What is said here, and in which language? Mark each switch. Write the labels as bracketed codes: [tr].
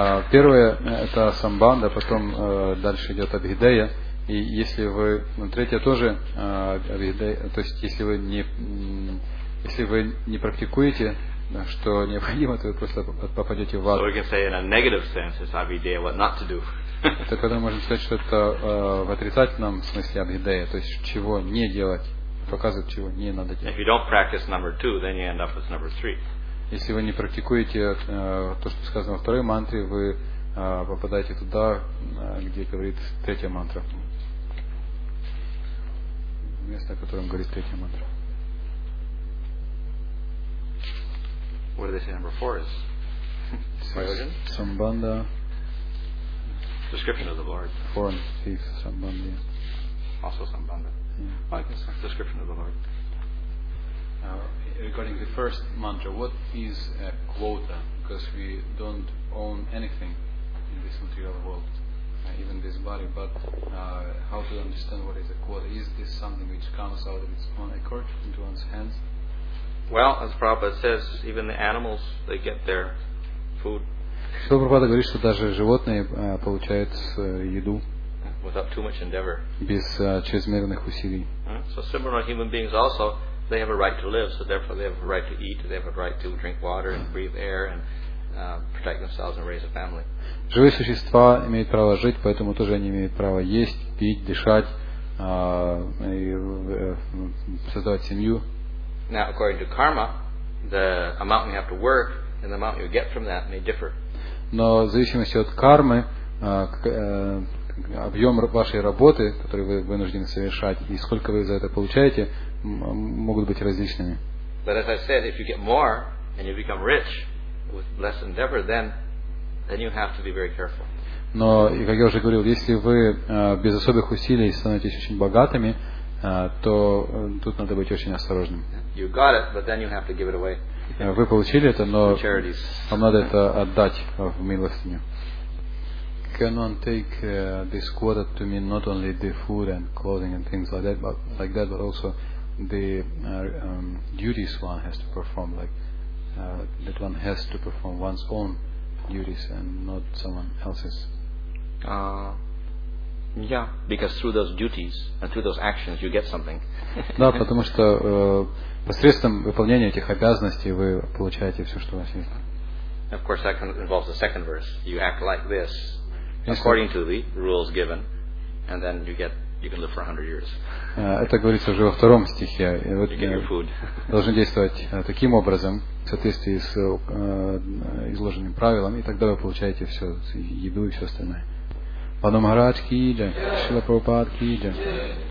[ru] Первое это самбанда, потом дальше идет абхидея, и если вы третье тоже абхидея, то есть если вы не практикуете, что необходимо, то вы просто попадете в ад. [en] So we can say in a negative sense is abhidaya what not to do. [ru] Это когда можно сказать, что это в отрицательном смысле абхидея, то есть чего не делать, показывать чего не надо делать. [en] If you don't practice number two, then you end up with number three. [ru] Если вы не практикуете то, что сказано во второй мантре, вы попадаете туда, где говорит третья мантра. Место, о котором говорит третья мантра. [en] What do they say number four is? Sambandha. Description of the Lord. Four and fifth, sambandha. Also sambandha. Yeah. I guess so. Description of the Lord. Regarding the first mantra, what is a quota? Because we don't own anything in this material world, even this body, but how to understand what is a quota? Is this something which comes out of its own accord into one's hands? Well, as Prabhupada says, even the animals, they get their food. [ru] Что Прабхупада говорит, что даже животные получают еду. [en] Without too much endeavor. [ru] Без чрезмерных усилий. [en] So similar human beings also, they have a right to live, so therefore they have a right to eat, they have a right to drink water and breathe air and protect themselves and raise a family. [ru] Живые существа имеют право жить, поэтому тоже они имеют право есть, пить, дышать, и создавать семью. [en] Now, according to karma, the amount you have to work and the amount you get from that may differ. [ru] Но в зависимости от кармы, объем вашей работы, который вы вынуждены совершать, и сколько вы за это получаете, могут быть различными. [en] But as I said, if you get more and you become rich with less endeavor, then you have to be very careful. [ru] Но, и как я уже говорил, если вы без особых усилий становитесь очень богатыми, то тут надо быть очень осторожным. [en] You got it, but then you have to give it away. [ru] Вы получили это, но вам надо это отдать в милостыню. [en] Can one take this quota to mean not only the food and clothing and things like that, but also the duties one has to perform, like that one has to perform one's own duties and not someone else's? Yeah, because through those duties and through those actions you get something. [ru] Да, потому что посредством выполнения этих обязанностей вы получаете все, что у вас есть. [en] Of course, that involves the second verse. You act like this according to the rules given, and then you can live for 100 years. [ru] Это говорится уже во втором стихе. [en] You get your food. [ru] Должен действовать таким образом, в соответствии с изложенным правилом, и тогда вы получаете все, еду и все остальное. Панамарадж ки джа, Шрила Прабхупад ки джа.